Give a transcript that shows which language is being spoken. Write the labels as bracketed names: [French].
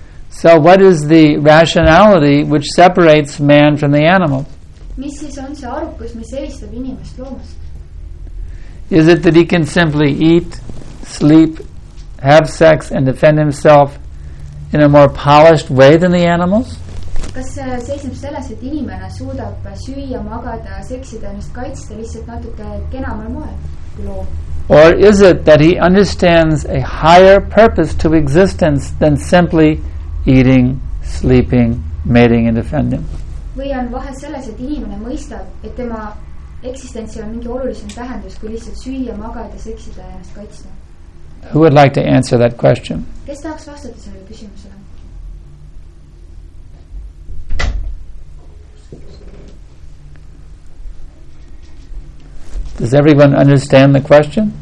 [English] So what is the rationality which separates man from the animals? [Estonian] Mis siis on see arukus, mis eristab inimest loomast? [English] Is it that he can simply eat, sleep, have sex and defend himself in a more polished way than the animals? [Estonian] Kas seisneb selles, et inimene suudab süüa, magada, seksida, mis kaitsta lihtsalt natuke kenamal moel kui loom? [English] Or is it that he understands a higher purpose to existence than simply eating, sleeping, mating and defending? [Estonian] Või on vahe selles, et inimene mõistab, et tema eksistentsi on mingi olulisem tähendus, kui lihtsalt süüa, magada, seksida ja ennast kaitsta? [English] Who would like to answer that question? [Estonian] Kes tahaks vastata sellele küsimusele? [English] Does everyone understand the question?